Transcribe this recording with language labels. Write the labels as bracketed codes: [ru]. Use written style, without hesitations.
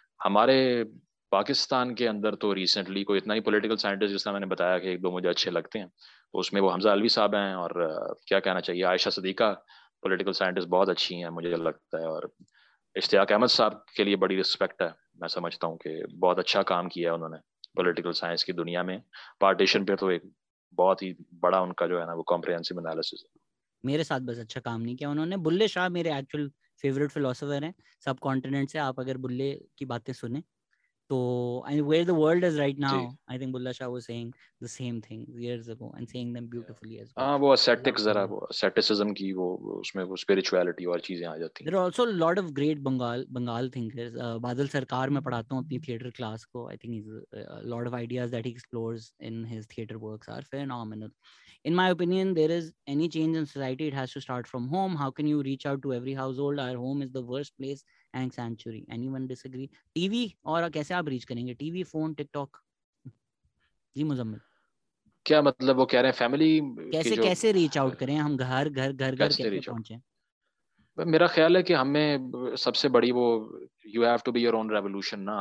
[ur] ہمارے پاکستان کے اندر تو ریسنٹلی کوئی اتنا ہی پولیٹیکل سائنٹسٹ جس طرح میں نے بتایا کہ ایک دو مجھے اچھے لگتے ہیں, تو اس میں وہ حمزہ علوی صاحب ہیں, اور کیا کہنا چاہیے, عائشہ صدیقہ پولیٹیکل سائنٹسٹ بہت اچھی ہیں مجھے لگتا ہے, اور اشتیاق احمد صاحب کے لیے بڑی رسپیکٹ ہے. میں سمجھتا ہوں کہ بہت اچھا کام کیا ہے انہوں نے پولیٹیکل سائنس کی دنیا میں. پارٹیشن پہ تو ایک بہت ہی بڑا ان کا جو ہے نا وہ کمپریہنسو انالیسس. میرے ساتھ بس اچھا کام نہیں کیا انہوں نے. بلے شاہ میرے ایکچوئل فیوریٹ فلاسفر ہیں سب کانٹیننٹ سے. آپ اگر بلے کی باتیں سنیں تو [en] and where the world is right now, جی. I think Bulla Shah was saying the same thing years ago and saying them beautifully as well. [ur] ہاں وہ ascetic, ذرا وہ asceticism کی وہ اس میں وہ spirituality اور چیزیں آ جاتی ہیں. [en] There are also a lot of great Bengal thinkers. [ur] Badal Sarkar میں پڑھاتا ہوں اپنی theater class کو. [en] I think he's a lot of ideas that he explores in his theater works are phenomenal. In my opinion, there is any change in society, it has to start from home. How can you reach out to every household? Our home is the worst place. And sanctuary. Anyone disagree? [ur] TV اور کیسے آپ reach کریں گے, T V, phone, ٹک talk? جی مزمل, کیا مطلب وہ کہہ رہے ہیں فیملی کیسے ریچ آؤٹ کریں ہم, گھر گھر گھر گھر کیسے پہنچیں؟ میرا خیال ہے کہ ہمیں سب سے بڑی وہ [en] you have to be your own revolution [ur] نا.